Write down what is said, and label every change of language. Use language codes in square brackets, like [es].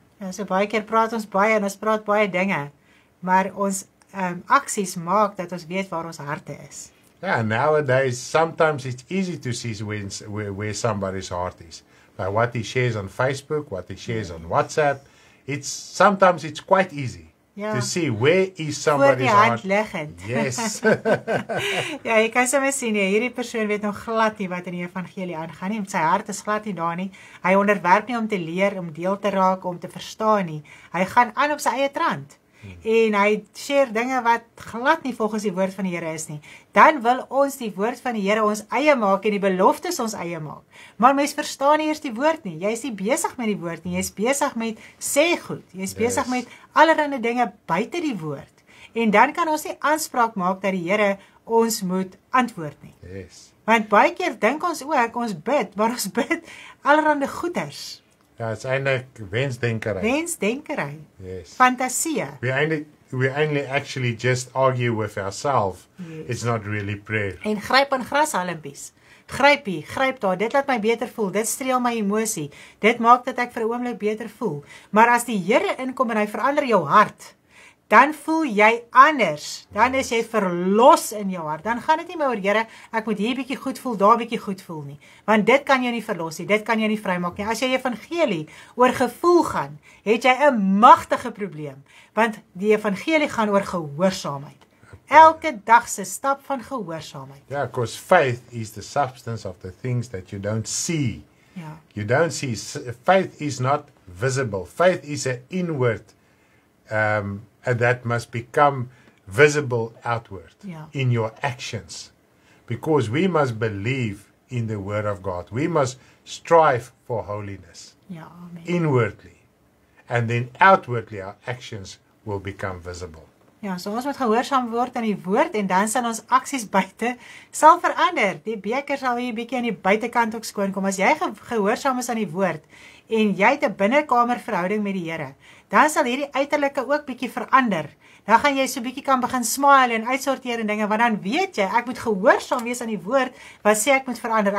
[af] Ja, so baie keer praat ons baie en ons praat baie dinge, maar ons aksies maak dat ons weet waar ons harte is. [en] Yeah, nowadays sometimes it's easy to see where somebody's heart is. By what he shares on Facebook, what he shares on WhatsApp, it's quite easy. Yeah. To see where is somebody's heart. Yes. [af] Ja, jy kan sommer sien, hierdie persoon weet nog glad nie wat in die evangelie aangaan nie. Sy hart is glad nie daar nie. Hy onderwerp nie om te leer, om deel te raak, om te verstaan nie. Hy gaan aan op sy eie trant. En hy share dinge wat glad nie volgens die woord van die Here is nie. Dan wil ons die woord van die Here ons eie maak en die beloftes ons eie maak. Maar mens verstaan nie eers die woord nie. Jy is nie besig met die woord nie. Jy is besig met sê goed. Jy is besig met allerlei dinge buite die woord. En dan kan ons nie aanspraak maak dat die Here ons moet antwoord nie. [en] Yes. [af] Want baie keer dink ons ook, ons bid, maar ons bid allerlei goeders. Ja, it's eindelijk wensdenkerij. Wensdenkerij. [en] Yes. [af] Fantasie. [en] We only actually just argue with ourselves. Yes. It's not really prayer. [af] En gryp aan grashalmpies. Gryp daar. Dit laat my beter voel. Dit streel my emosie. Dit maak dat ek vir 'n oomblik beter voel. Maar as die Here inkom en hy verander jou hart, dan voel jy anders. Dan is jy verlos in jou hart. Dan gaan dit nie meer oor Here, ek moet hier bietjie goed voel, daar bietjie goed voel nie. Want dit kan jou nie verlos nie. Dit kan jou nie vrymaak nie. As jy evangelie oor gevoel gaan, het jy 'n magtige probleem. Want die evangelie gaan oor gehoorsaamheid. Elke dag se stap van gehoorsaamheid. [en] Yeah, because faith is the substance of the things that you don't see. Yeah. You don't see. Faith is not visible. Faith is an inward that must become visible outward in your actions. Because we must believe in the Word of God. We must strive for holiness inwardly. And then outwardly our actions will become visible. [af] Ja, so ons moet gehoorsaam word aan die woord en dan sal ons aksies buite sal verander. Die beker sal hier 'n bietjie aan die buitekant ook skoon kom. As jy gehoorsaam is aan die woord en jy het 'n binnekamer verhouding met die Here, dan sal hierdie uiterlike ook bietjie verander. Dan gaan jy so bietjie kan begin smile en uitsorteer en dinge, want dan weet jy, ek moet gehoorsaam wees aan die woord, wat sê ek moet verander.